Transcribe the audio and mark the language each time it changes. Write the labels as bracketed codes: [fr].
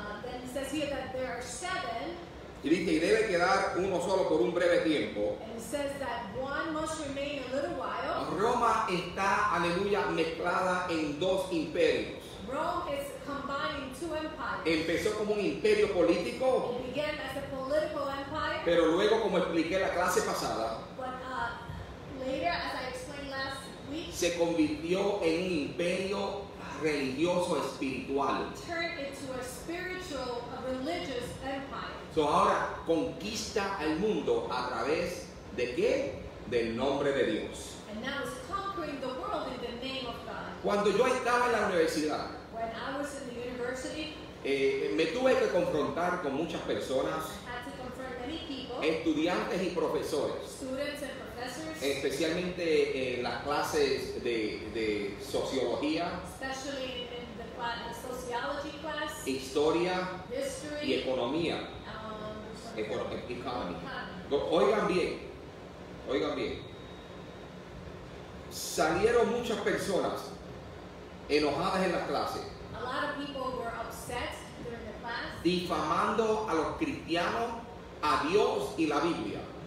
[en] Then it says here that there are seven. [es] Y dice, y debe quedar uno solo por un breve tiempo. [en] And it says that one must remain a little while. [es] Roma está, aleluya, mezclada en dos imperios. [en] Rome is combining two empires. [es] Empezó como un imperio político. [en] It began as a political empire. [es] Pero luego, como expliqué la clase pasada, [en] later, as I explained last week, [es] se convirtió en un imperio religioso espiritual. [en] Turned into a spiritual, a religious empire. [es] So ahora conquista el mundo a través de qué? Del nombre de Dios. [en] And now it's conquering the world in the name of God. [es] Cuando yo estaba en la universidad, [en] when I was in the university, [es] me tuve que confrontar con muchas personas, [en] I had to confront many people, [es] estudiantes y profesores, [en] students and professors, [es] especialmente en las clases de sociología, [en] especially in the sociology class, [es] historia, [en] history, [es] y economía. [en] Economy. [es] Oigan bien, oigan bien, salieron muchas personas enojadas en las clases. [en] A lot of people were upset during the class. [es] Difamando a los cristianos, a Dios y la Biblia.